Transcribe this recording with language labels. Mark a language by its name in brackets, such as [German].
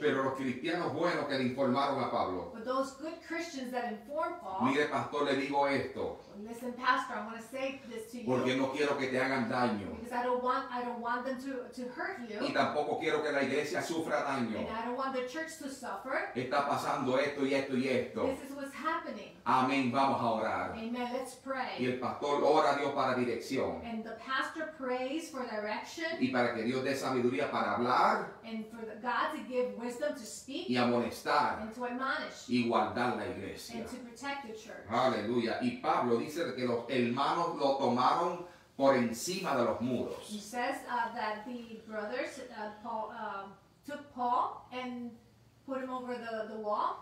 [Spanish] Pero los cristianos buenos que le informaron a Pablo. [English] But those good Christians that informed Paul. [Spanish] Mire, pastor, le digo esto. [English] Listen, pastor, I want to say this to you. [Spanish] Porque no quiero que te hagan daño. [English] Because I don't want them to hurt you. [Spanish] Y tampoco quiero que la iglesia sufra daño. [English] And I don't want the church to suffer. [Spanish] Está pasando esto y esto y esto. [English] This is what's happening. [Spanish] Amén, vamos a orar. [English] Amen, let's pray. [Spanish] Y el pastor ora a Dios para dirección. [English] And the pastor prays for direction. [Spanish] Y para que Dios dé sabiduría para hablar. [English] And for God to give wisdom to speak. [Spanish] Y amonestar. [English] And to admonish. [Spanish] Y guardar la iglesia. [English] And to protect the church. [Spanish] Aleluya. Y Pablo dice que los hermanos lo tomaron por encima de los muros. [English] He says that the brothers took Paul and put him over the wall.